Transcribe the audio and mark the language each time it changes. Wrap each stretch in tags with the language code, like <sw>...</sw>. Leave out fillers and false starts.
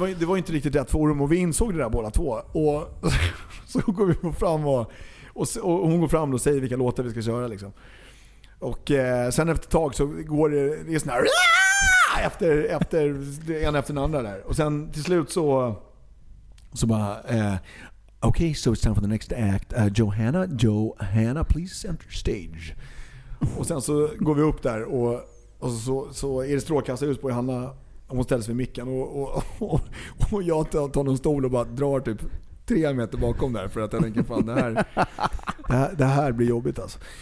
<sv>Och det var inte riktigt rätt forum, och vi insåg det där båda två. Och så går vi fram och hon går fram och säger vilka låtar vi ska köra. Liksom. Och sen efter ett tag så går det sån här efter en efter den andra där. Och sen till slut så bara...</sv> <en>Okay, so it's time for the next act. Johanna, please enter stage.</en> <sv>Och sen så går vi upp där och så är det strålkastare ut på Johanna. Hon ställs vid micken och jag tar någon stol och bara drar typ 3 meter bakom där, för att jag tänker fan, det här blir jobbigt alltså.</sv>